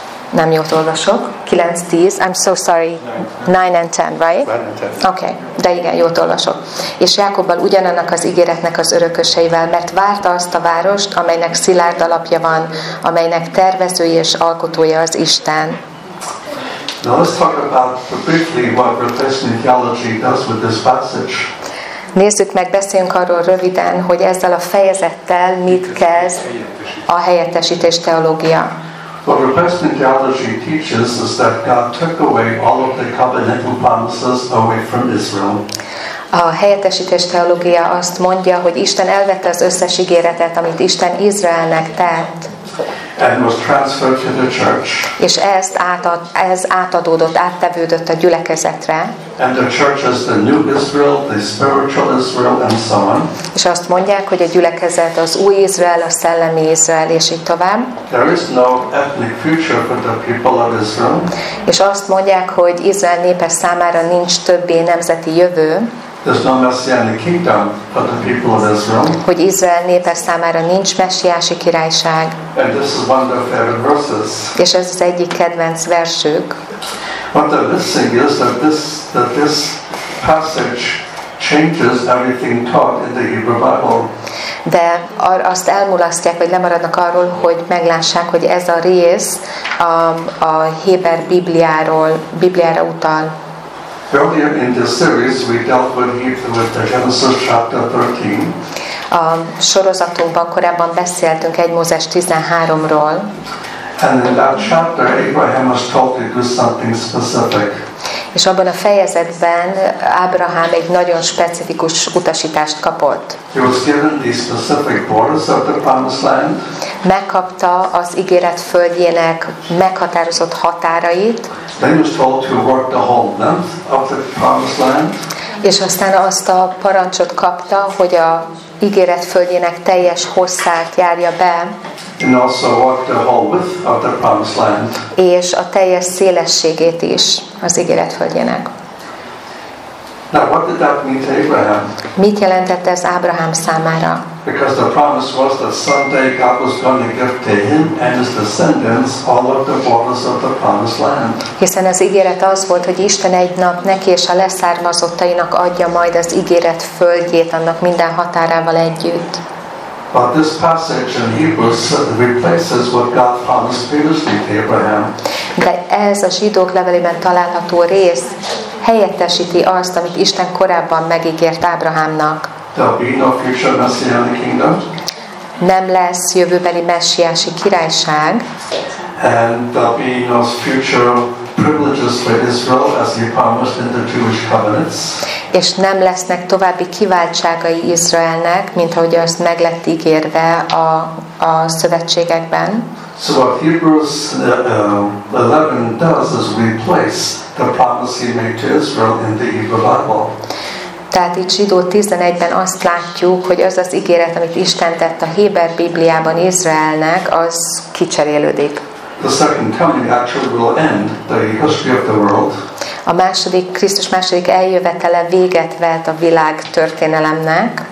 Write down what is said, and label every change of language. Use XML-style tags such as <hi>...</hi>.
<hu>Nem jót olvasok.</hu> <en>9:10. I'm so sorry. 9 and 10, right? Okay.</en> <hu>De igen, jót olvasok. És Jákobbal ugyanannak az ígéretnek az örököseivel, mert várta azt a várost, amelynek szilárd alapja van, amelynek tervezője és alkotója az Isten.</hu> <en>Now let's talk about briefly what Protestant theology does with this passage.</en> <hu>Nézzük meg, beszéljünk arról röviden, hogy ezzel a fejezettel mit kezd a helyettesítés teológia.</hu> <en>What Protestant theology teaches is that God took away all of the covenantal promises away from Israel.</en> <hu>A helyettesítés teológia azt mondja, hogy Isten elvette az összes ígéretet, amit Isten Izraelnek tett.</hu> <en>And was transferred to the church.</en> <hu>És ez átadódott, áttevődött a gyülekezetre.</hu> <en>And the church is the new Israel, the spiritual Israel, and so on.</en> <hu>És azt mondják, hogy a gyülekezet az új Izrael, a szellemi Izrael, és így tovább.</hu> <en>There is no ethnic future for the people of Israel.</en> <hu>És azt mondják, hogy Izrael népe számára nincs többé nemzeti jövő.</hu> <en>There's no messianic kingdom for the people of Israel.</en> <hu>Hogy Izrael népe számára nincs messiási királyság.</hu> <en>And this is one of their favorite verses.</en> <hu>És ez az egyik kedvenc versük.</hu> <en>What they're missing is that this passage changes everything taught in the Hebrew Bible.</en> <hu>De azt elmulasztják, vagy lemaradnak arról, hogy meglássák, hogy ez a rész a héber Bibliára utal.</hu> <en>Earlier in this series, we dealt with the Genesis chapter 13.</en> <hu>A sorozatunkban korábban beszéltünk 1 Mózes 13-ról.</hu> <en>And in that chapter, Abraham was told to do something specific.</en> <hu>És abban a fejezetben Ábrahám egy nagyon specifikus utasítást kapott.</hu> <en>He was given the specific borders of the promised land.</en> <hu>Megkapta az ígéret földjének meghatározott határait.</hu> <en>Then was told to work the whole length of the promised land.</en> <hu>És aztán azt a parancsot kapta, hogy a ígéret földjének teljes hosszát járja be.</hu> <en>And also walk the whole width of the promised land.</en> <hu>És a teljes szélességét is az ígéret földjének.</hu> <en>Now, what did that mean to Abraham?</en> <hu>Mit jelentett ez Ábrahám számára?</hu> <en>Because the promise was that someday God was going to give to him and his descendants all of the borders of the promised land.</en> <hu>Hiszen az ígéret az volt, hogy Isten egy nap neki és a leszármazottainak adja majd az ígéret földjét annak minden határával együtt.</hu> <en>But this passage in Hebrews replaces what God promised previously to Abraham.</en> <hu>De ez a Zsidók levelében található rész helyettesíti azt, amit Isten korábban megígért Ábrahámnak.</hu> <en>There'll be no future messianic kingdom.</en> <hu>Nem lesz jövőbeli messiási királyság.</hu> <en>And there'll be no future privileges for Israel as he promised in the Jewish covenants.</en> <hu>És nem lesznek további kiváltságai Izraelnek, mint ahogy azt meg lett ígérve a szövetségekben.</hu> <en>So what Hebrews 11 does is replace the promise he made to Israel in the Hebrew Bible.</en> <hu>Tehát itt Zsidó 11-ben azt látjuk, hogy az az ígéret, amit Isten tett a héber Bibliában Izraelnek, az kicserélődik.</hu> <en>The second coming actually will end the history of the world.</en> <hu>A második, Krisztus második eljövetele véget vet a világ történelemnek.</hu>